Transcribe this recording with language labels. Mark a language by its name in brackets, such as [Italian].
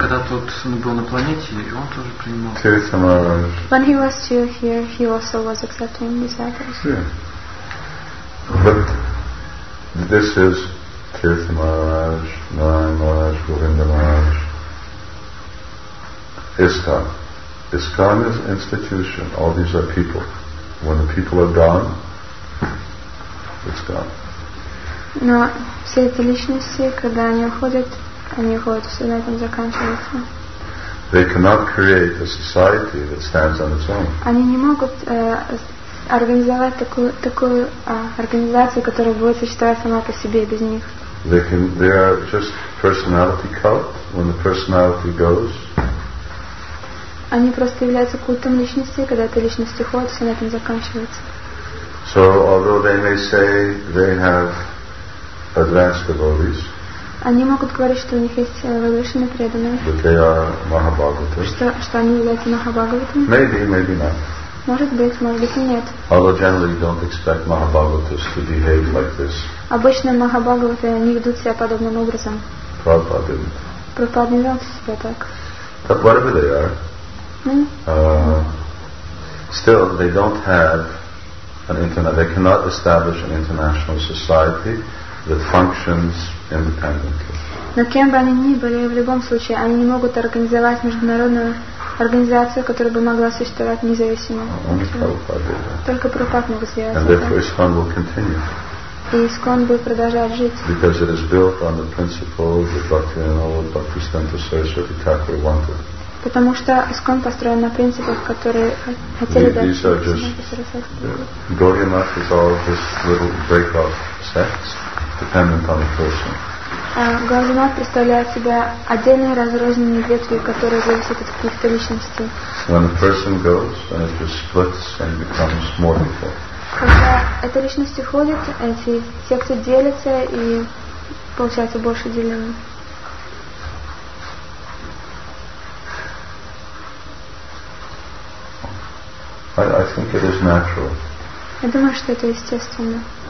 [Russian] Когда тот был на планете, он тоже принимал. [English] Tirtha Maharaj. When he was still here, he also was accepting these others. Yeah. But this is Tirtha Maharaj, Narayan Maharaj, Govinda Maharaj. ISKCON. ISKCON is institution. All these are people. When the people are gone, it's gone. [Russian] Но все эти личности, когда они уходят, все на этом заканчивается. [English] They cannot create a society that stands on its own. [Russian] Они не могут организовать такую организацию, которая будет существовать сама по себе без них. [English] They are just personality cult. When the personality goes, [Russian] они просто являются культом личности, когда эта личность уходит, все на этом заканчивается. [English] So, although they may say they have advanced devotees, [Russian] они могут говорить, что у них есть возвышенные преданные, [English] that they are Mahabhagavatas, [Russian] что они являются Махабхагаватами. [English] Maybe, maybe not. [Russian] Может быть и нет. [English] Although generally you don't expect Mahabhagavatas to behave like this. [Russian] Обычно Махабхагаваты не ведут себя подобным образом. [English] Prabhupada didn't. [Russian] Prabhupada не вел себя так. [English] But whatever they are, still, they don't have an internet. They cannot establish an international society that functions independently. [Russian] Но кем бы они ни были, в любом случае, они не могут организовать международную организацию, которая бы могла существовать независимо. Только Прабхупада мог сделать это. [English] And therefore, ISKCON will continue. [Russian] И ISKCON будет продолжать жить. [English] Because it is built on the principle that Bhaktisiddhanta Saraswati Thakur wanted. [Russian] Потому что ISKCON построен на принципах, которые хотели бы... [English] These are just... Gorgimath is all just little break-off sects, dependent on the person. [Russian] Gorgimath представляет себя отдельные разрозненные ветви, которые зависят от каких-то личностей. [English] When a person goes, then it just splits and becomes more people. [Russian] Когда эта личность уходит, эти секты делятся и получается больше деления. [English] I think it is natural. [Russian] Я думаю, что это естественно.